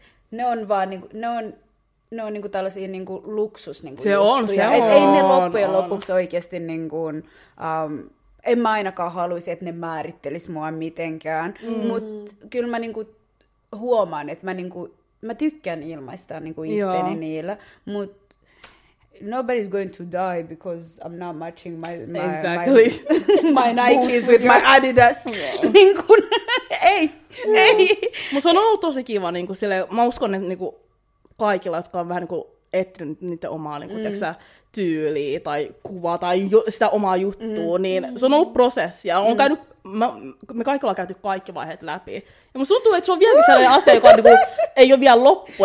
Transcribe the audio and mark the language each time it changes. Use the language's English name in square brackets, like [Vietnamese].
[Finnish] Ne on niinku tällaisia niinku luksus niinku se juttuja. On, se on. Et ei ne loppujen lopuksi oikeasti niinku, en mä ainakaan haluaisi, että ne määrittelis mua mitenkään. Mm. Mut kyllä mä niinku huomaan, että mä niinku, mä tykkään ilmaista niinku itteni niillä. [English] Mut nobody's going to die because I'm not matching my Nikes with my Adidas. [Finnish] Yeah. Niinku, ei. Mm. Ei. Mut se on ollut tosi kiva niinku sille, mä uskon, että niinku kaikilla, jotka on vähän niin etsinyt niiden omaa niin kuin, teksä, tyyliä tai kuvaa tai sitä omaa juttua, niin se on ollut prosessi. On käynyt, me kaikki ollaan käyty kaikki vaiheet läpi. Ja musta tuntuu, että se on vieläkin sellainen asia, joka on, niin kuin, ei ole vielä loppu.